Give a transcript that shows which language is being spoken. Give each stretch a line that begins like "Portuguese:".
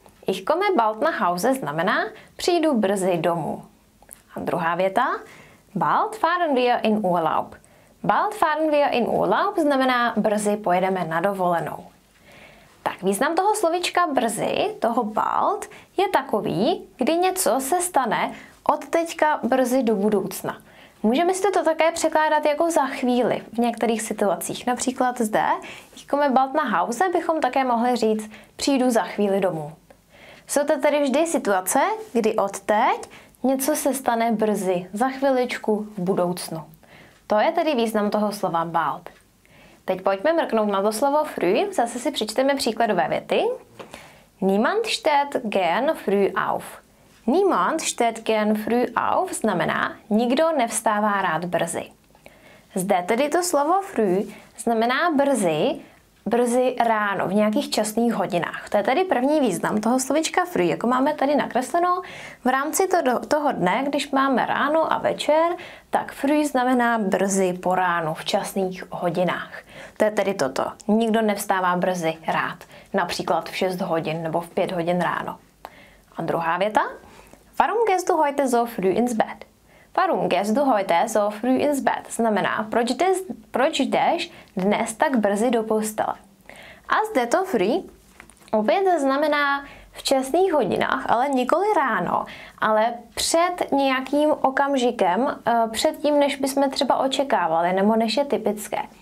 German: Ich komme bald nach Hause
Czech: znamená, přijdu brzy domů. A druhá věta.
German: Bald fahren wir in Urlaub. Bald fahren wir in Urlaub
Czech: znamená brzy pojedeme na dovolenou. Tak význam toho slovička brzy, toho bald, je takový, kdy něco se stane od teďka brzy do budoucna. Můžeme si to také překládat jako za chvíli v některých situacích. Například zde,
German: ich komme bald nach Hause,
Czech: bychom také mohli říct, přijdu za chvíli domů. Jsou to tedy vždy situace, kdy od teď něco se stane brzy, za chviličku v budoucnu. To je tedy význam toho slova bald. Teď pojďme mrknout na to slovo früh. Zase si přečteme příkladové věty.
German: Niemand steht gern früh auf. Niemand steht gern früh auf
Czech: znamená, nikdo nevstává rád brzy. Zde tedy to slovo früh znamená brzy, brzy ráno, v nějakých časných hodinách. To je tedy první význam toho slovička früh, jako máme tady nakresleno. V rámci toho dne, když máme ráno a večer, tak früh znamená brzy po ránu, v časných hodinách. To je tedy toto. Nikdo nevstává brzy rád. Například v 6 hodin nebo v 5 hodin ráno. A druhá věta.
German: Warum gehst du heute so früh ins Bett? Warum gehst du heute so früh ins Bett?
Czech: Znamená, proč jdeš dnes tak brzy do postele? A zde to früh opět znamená v časných hodinách, ale nikoli ráno, ale před nějakým okamžikem, před tím, než bychom třeba očekávali, nebo než je typické.